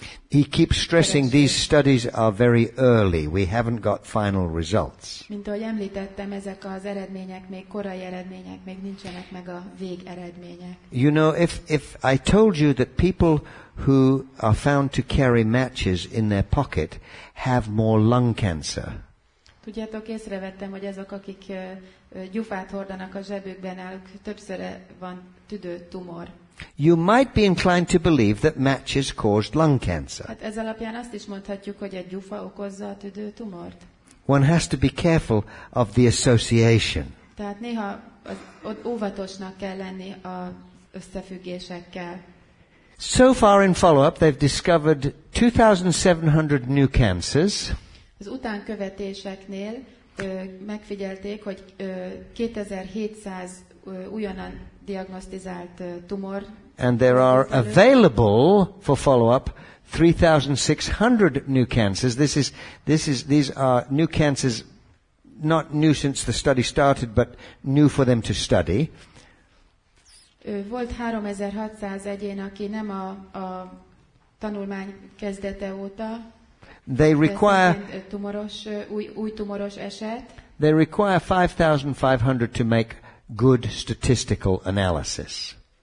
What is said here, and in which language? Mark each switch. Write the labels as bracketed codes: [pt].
[en] He keeps stressing these studies are very early. We haven't got final results. [hu] Mint ahogy említettem, ezek az eredmények még korai eredmények, még nincsenek meg a végeredmények. [en] You know, if I told you that people who are found to carry matches in their pocket have more lung cancer. [hu] Tudjátok, észrevettem, hogy azok, akik gyufát hordanak a zsebükben, ők többszöre van tüdőtumor. [en] You might be inclined to believe that matches caused lung cancer. [hu] Hát ez alapján azt is mondhatjuk, hogy egy gyufa okozza a tüdőtumort. [en] One has to be careful of the association. [hu] Tehát néha óvatosnak kell lenni az összefüggésekkel. [en] So far in follow-up, they've discovered 2,700 new cancers. [hu] Az utánkövetéseknél megfigyelték, hogy 2,700 újonnan diagnosztizált tumor. [en] And there are available for follow-up 3,600 new cancers. These are new cancers, not new since the study started, but new for them to study. [hu] Volt 3,600 egyén, aki nem a tanulmány kezdete óta. [en] They require [hu] új tumoros eset. [en] They require 5,500 to make good statistical analysis.